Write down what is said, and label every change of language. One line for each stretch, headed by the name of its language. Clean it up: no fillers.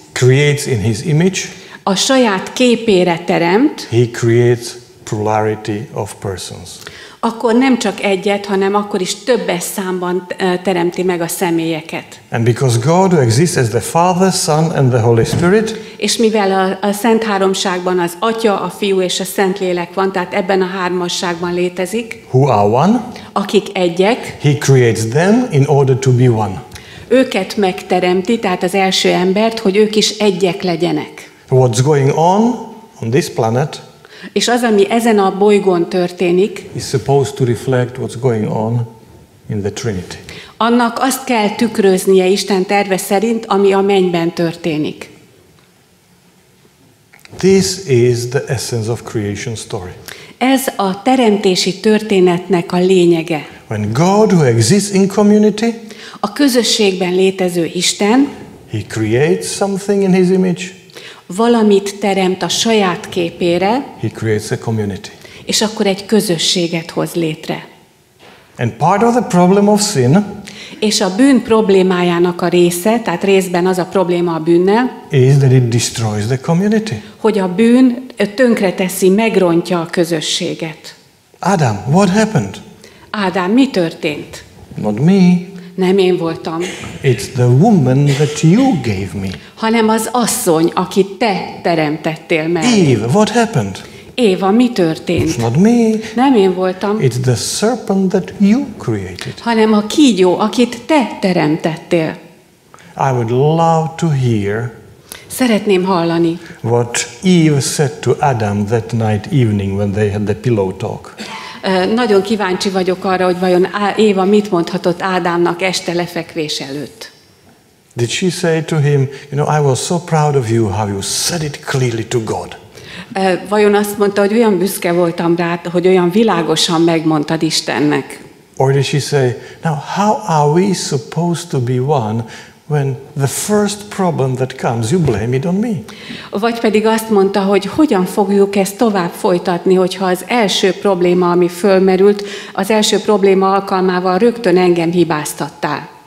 English: creates in his image,
Hungarian: a saját képére teremt,
English: he creates plurality of persons.
Hungarian: Akkor nem csak egyet, hanem akkor is többes számban teremti meg a személyeket.
English: And because God exists as the Father, Son and the Holy Spirit,
Hungarian: és mivel a Szent Háromságban az Atya, a Fiú és a Szentlélek van, tehát ebben a hármasságban létezik,
English: who are one,
Hungarian: akik egyek,
English: he creates them in order to be one.
Hungarian: Őket megteremti, tehát az első embert, hogy ők is egyek legyenek.
English: What's going on this planet?
Hungarian: És az, ami ezen a bolygón történik,
English: is supposed to reflect what's going on in the Trinity.
Hungarian: Annak azt kell tükröznie Isten terve szerint, ami a mennyben történik.
English: This is the essence of creation story.
Hungarian: Ez a teremtési történetnek a lényege.
English: When God who exists in community,
Hungarian: a közösségben létező Isten,
English: he creates something in his image.
Hungarian: Valamit teremt a saját képére,
English: he creates a community.
Hungarian: És akkor egy közösséget hoz létre.
English: And part of the problem of sin,
Hungarian: és a bűn problémájának a része, tehát részben az a probléma a bűnnel,
English: is that it destroys the community.
Hungarian: Hogy a bűn tönkreteszi, megrontja a közösséget.
English: Adam, what happened?
Hungarian: Ádám, mi történt?
English: Not me.
Hungarian: Nem én voltam.
English: It's the woman that you gave me.
Hungarian: Hanem az asszony, akit te teremtettél meg.
English: Eve, what happened?
Hungarian: Éva, mi történt?
English: It's not me.
Hungarian: Nem én voltam.
English: It's the serpent that you created.
Hungarian: Hanem a kígyó, akit te teremtettél.
English: I would love to hear.
Hungarian: Szeretném hallani.
English: What Eve said to Adam that night evening when they had the pillow talk.
Hungarian: Nagyon kíváncsi vagyok arra, hogy vajon Éva mit mondhatott Ádámnak este lefekvés előtt.
English: Did she say to him, you know, I was so proud of you, how you said it clearly to God.
Hungarian: Vajon azt mondta, hogy olyan büszke voltam rá, hogy olyan világosan megmondtad Istennek.
English: Or did she say, now how are we supposed to be one when the first problem that comes, you blame it on me.
Hungarian: Vagy pedig azt mondta, hogy hogyan fogjuk ezt tovább folytatni, hogyha az első probléma, ami fölmerült, az első probléma alkalmával rögtön engem hibáztattál.